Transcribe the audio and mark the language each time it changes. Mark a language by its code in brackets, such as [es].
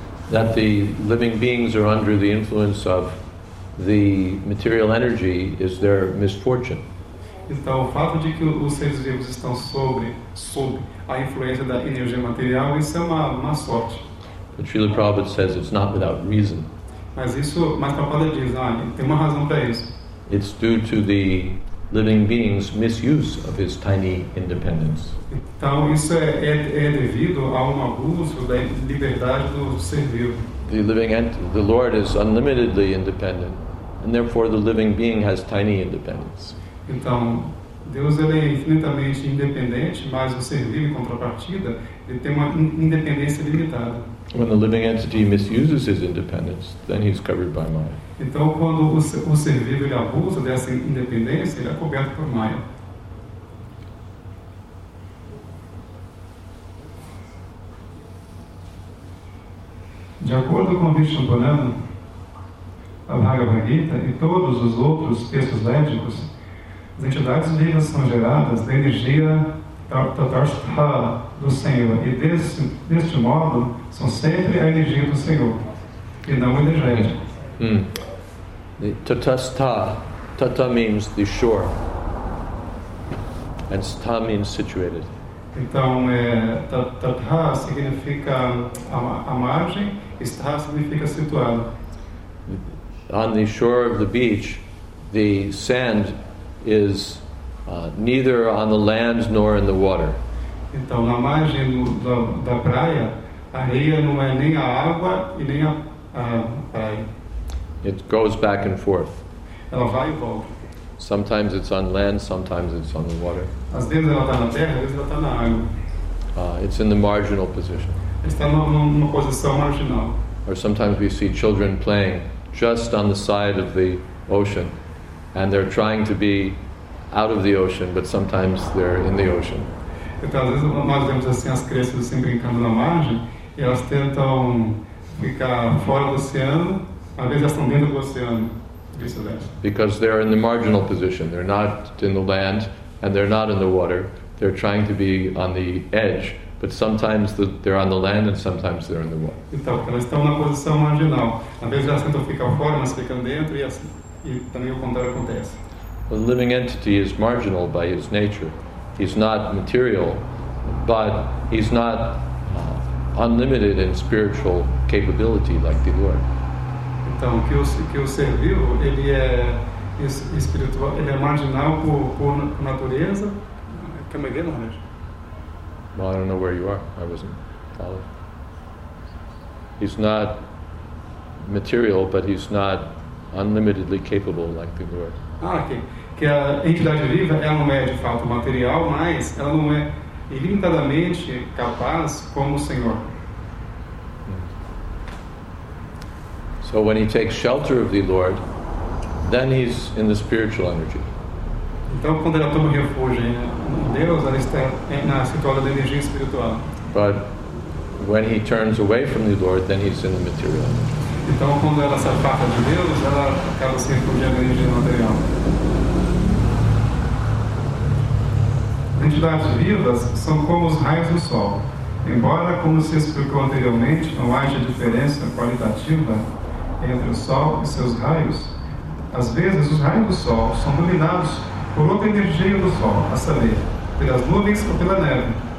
[en] That the living beings are under the influence of the material energy is their misfortune. [pt] Então, o fato de que os seres vivos estão sob a influência da energia material, isso é uma sorte. [en] But Srila Prabhupada says it's not without reason. [pt] Mas Prabhupada diz, tem uma razão para isso. [en] It's due to the living being's misuse of his tiny independence. [pt] Então, isso é devido a um abuso da liberdade do ser vivo. [en] The Lord is unlimitedly independent, and therefore the living being has tiny independence. [pt] Então, Deus ele é infinitamente independente, mas o ser vivo, em contrapartida, ele tem uma independência limitada. When the living entity misuses his independence, then he's covered by Maya. Então, quando o ser vivo ele abusa dessa independência, ele é coberto por Maya. De acordo com o Vishnu Purana, a Bhagavad Gita e todos os outros textos védicos, as entidades vivas são geradas da energia tatarstha do Senhor e deste modo são sempre a energia do Senhor e não o energético. [en] Tatastha, tata means the shore, and stha means situated. [pt] Então, tatastha significa a margem, stha significa situado. [en] On the shore of the beach, the sand is neither on the land nor in the water. [pt] Então, na margem da praia, a areia não é nem a água e nem a praia. [en] It goes back and forth. [pt] Ela vai e volta. [en] Sometimes it's on land, sometimes it's on the water. [pt] Às vezes ela está na terra, às vezes ela está na água. [en] It's in the marginal position. [pt] Está numa posição marginal. [en] Or sometimes we see children playing just on the side of the ocean, and they're trying to be out of the ocean, but sometimes they're in the ocean. [pt] Então, às vezes nós vemos assim as crianças assim brincando na margem, e elas tentam ficar fora do oceano. Às vezes elas estão dentro do oceano. [en] Because they're in the marginal position. They're not in the land and they're not in the water. They're trying to be on the edge, but sometimes they're on the land and sometimes they're in the water. [pt] Então, elas estão na posição marginal. Às vezes elas tentam ficar fora, mas ficam dentro, e também o contrário acontece. [en] The living entity is marginal by his nature. He's not material, but he's not unlimited in spiritual capability like the Lord. [pt] Então, que o ser vivo, ele é espiritual, ele é marginal por natureza. [en] Come again, Lord. Well, I don't know where you are. I wasn't followed. He's not material, but he's not unlimitedly capable like the Lord. Ah, ok. [pt] Que a entidade viva, ela não é de fato material, mas ela não é ilimitadamente capaz como o Senhor. [en] So when he takes shelter of the Lord, then he's in the spiritual energy. [pt] Então, quando ele toma refúgio em Deus, ele está na situação da energia espiritual. [en] But when he turns away from the Lord, then he's in the material energy. [pt] Então, quando ela se afasta de Deus, ela acaba se refugiando na energia material. As entidades vivas são como os raios do sol. Embora, como se explicou anteriormente, não haja diferença qualitativa entre o sol e seus raios, às vezes os raios do sol são dominados por outra energia do sol, a saber, pelas nuvens ou pela neve.